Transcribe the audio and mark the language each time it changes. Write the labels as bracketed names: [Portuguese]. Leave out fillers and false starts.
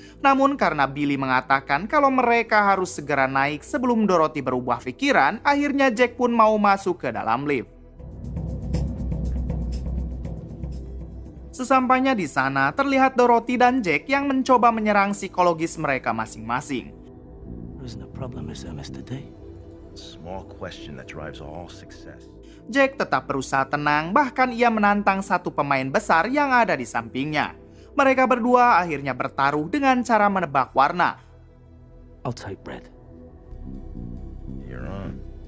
[Indonesian] Namun karena Billy mengatakan kalau mereka harus segera naik sebelum Dorothy berubah pikiran, akhirnya Jack pun mau masuk ke dalam lift. Sesampainya di sana, terlihat Dorothy dan Jack yang mencoba menyerang psikologis mereka masing-masing. [English] Isn't the problem, is there, Mr. Day? Small question that drives all success. [Indonesian] Jack tetap berusaha tenang, bahkan ia menantang satu pemain besar yang ada di sampingnya. Mereka berdua akhirnya bertaruh dengan cara menebak warna. [English] I'll take red. You're on.